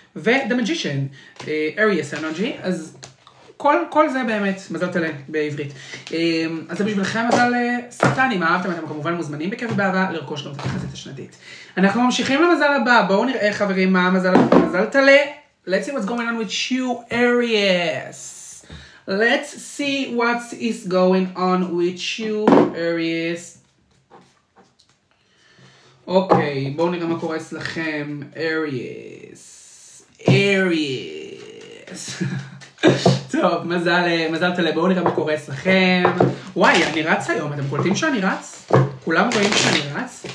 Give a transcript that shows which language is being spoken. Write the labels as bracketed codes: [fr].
[he] וThe Magician, Aries Energy, אז כל זה באמת, מזל תלה בעברית. אז זה בשבילכם מזל סרטן, אם אהבתם, אתם כמובן מוזמנים בכיף ובאהבה לרכוש גם את התחזית השנתית. אנחנו ממשיכים למזל הבא, בואו נראה חברים מה המזל הבא, מזל תלה. [en] Let's see what's going on with you, Aries. Let's see what is going on with you, Aries. [he] אוקיי, בואו נראה מה קורה אצלכם, Aries. Aries. טוב, מזל תלה, בואו נראה מה קורה אצלכם. וואי, אני רץ היום, אתם קולטים שאני רץ? כולם רואים שאני רץ?